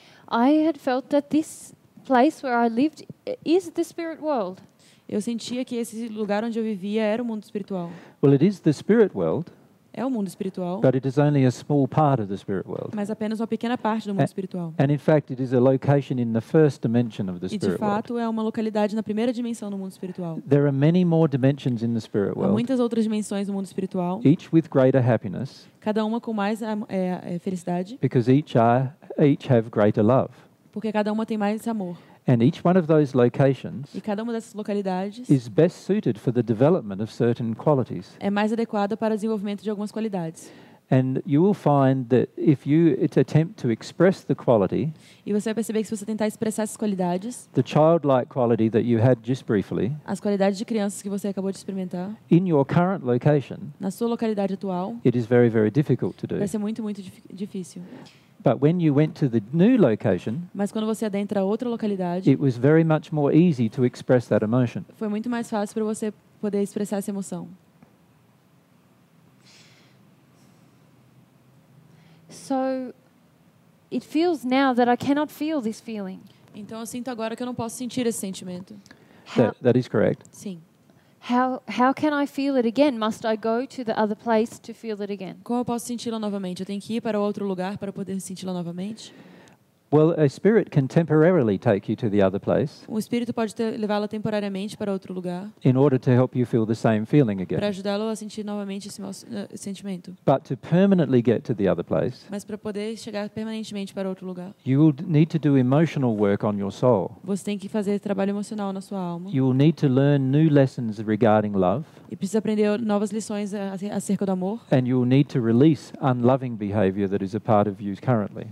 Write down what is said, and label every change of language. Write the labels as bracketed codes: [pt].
[en] I had felt that this place where I lived is the spirit world. [pt] Eu sentia que esse lugar onde eu vivia era o mundo espiritual. [en] Well, it is the spirit world. [pt] É o mundo espiritual. [en] But it is only a small part of the spirit world. [pt] Mas apenas uma pequena parte do mundo espiritual. [en] And in fact, it is a location in the first dimension of the spirit world. [pt] E de fato é uma localidade na primeira dimensão do mundo espiritual. [en] There are many more dimensions in the spirit world. [pt] Há muitas outras dimensões no mundo espiritual. [en] Each with greater happiness. [pt] Cada uma com mais felicidade. [en] Because each have greater love. [pt] Porque cada uma tem mais amor. [en] And each one of those locations, [pt] e cada uma dessas localidades, [en] is best suited for the development of certain qualities. [pt] É mais adequada para o desenvolvimento de algumas qualidades. [en] And you will find that if you attempt to express the quality, [pt] e você vai perceber que se você tentar expressar essas qualidades, [en] the childlike quality that you had just briefly, [pt] as qualidades de criança que você acabou de experimentar, [en] in your current location, [pt] na sua localidade atual, [en] it is very, very difficult to do. [pt] Vai ser muito, muito difícil. [en] But when you went to the new location, [pt] mas quando você adentra outra localidade, [en] it was very much more easy to express that emotion. [pt] Foi muito mais fácil para você poder expressar essa emoção. [en] So it feels now that I cannot feel this feeling. [pt] Então eu sinto agora que eu não posso sentir esse sentimento. [en] That is correct. [pt] Sim. [en] How can I feel it again? Must I go to the other place to feel it again? [pt] Como eu posso senti-la novamente? Eu tenho que ir para outro lugar para poder senti-la novamente? [en] Well, a spirit can temporarily take you to the other place. [pt] O espírito pode levá-la temporariamente para outro lugar. [en] In order to help you feel the same feeling again. [pt] Para ajudá-la a sentir novamente esse sentimento. [en] But to permanently get to the other place. [pt] Mas para poder chegar permanentemente para outro lugar. [en] You will need to do emotional work on your soul. [pt] Você tem que fazer trabalho emocional na sua alma. [en] You will need to learn new lessons regarding love. [pt] E precisa aprender novas lições acerca do amor. [en] And you will need to release unloving behavior that is a part of you currently.